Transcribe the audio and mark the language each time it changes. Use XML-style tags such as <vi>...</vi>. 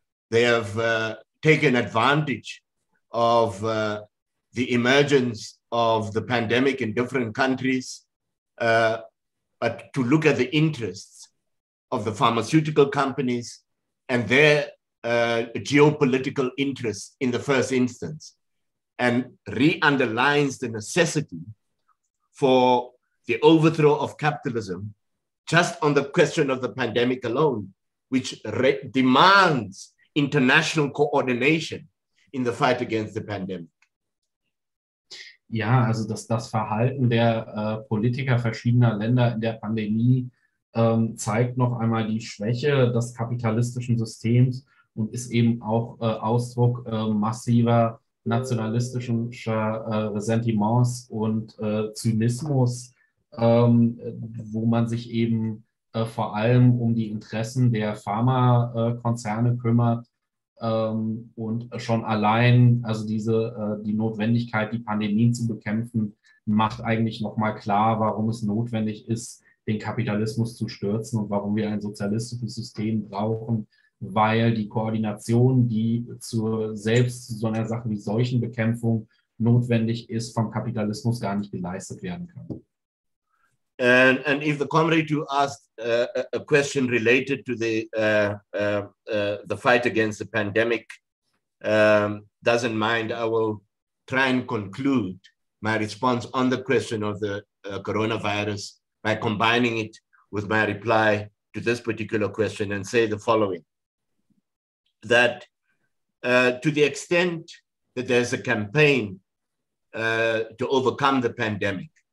<en>They have taken advantage of the emergence of the pandemic in different countries, but to look at the interests of the pharmaceutical companies and their geopolitical interests in the first instance, and re-underlines the necessity for the overthrow of capitalism just on the question of the pandemic alone, which demands international coordination in the fight against the pandemic.</en> <de>Ja, also das Verhalten der Politiker verschiedener Länder in der Pandemie zeigt noch einmal die Schwäche des kapitalistischen Systems und ist eben auch Ausdruck massiver nationalistischer Ressentiments und Zynismus, wo man sich eben vor allem um die Interessen der Pharmakonzerne kümmert und schon allein, also die Notwendigkeit, die Pandemien zu bekämpfen, macht eigentlich nochmal klar, warum es notwendig ist, den Kapitalismus zu stürzen und warum wir ein sozialistisches System brauchen, weil die Koordination, die zu so einer Sache wie Seuchenbekämpfung notwendig ist, vom Kapitalismus gar nicht geleistet werden kann.</de> <en>And if the comrade you asked a question related to the fight against the pandemic doesn't mind, I will try and conclude my response on the question of the coronavirus by combining it with my reply to this particular question and say the following, that to the extent that there's a campaign to overcome the pandemic,</en>